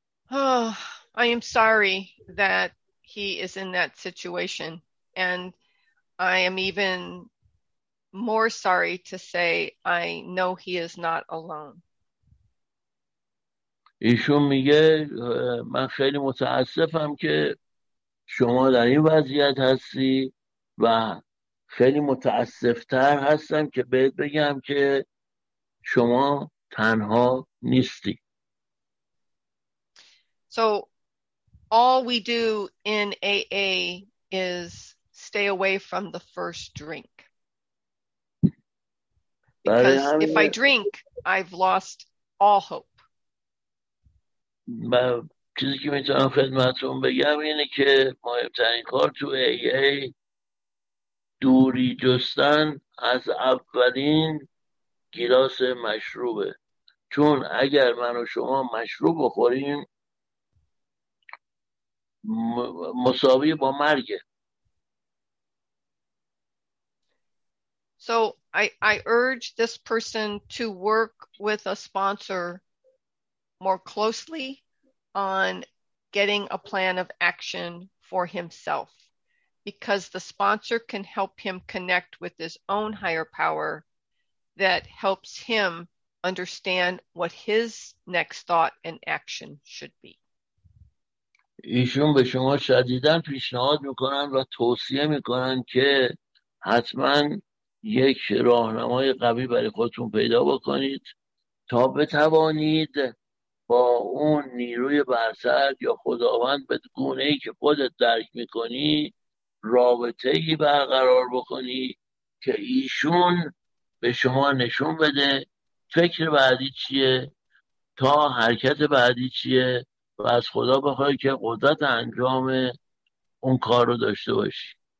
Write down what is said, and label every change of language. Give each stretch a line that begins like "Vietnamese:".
English: Oh, I am sorry that he is in that situation, and I am even more sorry to say I know he is not alone.
Persian: ایشون میگه من خیلی متاسفم که شما در این وضعیت هستی و خیلی متاسفتر هستم که بهت بگم که شما تنها نیستی.
English: So all we do in AA is stay away from the first drink. Because if I drink, I've lost all hope.
Persian: چیزی که میتونم خدمتتون بگم اینه که مهمترین کار تو AA دوری جستن از اولین گیلاس مشروبه، چون اگر من و شما مشروب بخوریم مساوی با مرگه.
English: So I urge this person to work with a sponsor more closely on getting a plan of action for himself, because the sponsor can help him connect with his own higher power that helps him understand what his next thought and action should be.
Persian: ایشون به شما شدیداً پیشنهاد میکنن و توصیه میکنن که حتما یک راهنمای قوی برای خودتون پیدا بکنید تا بتوانید با اون نیروی برتر یا خداوند به گونه‌ای که خودت درک میکنی رابطه ای برقرار بکنی که ایشون به شما نشون بده فکر بعدی چیه، تا حرکت بعدی چیه، و از خدا بخوای که قدرت انجام اون کار رو داشته باشی.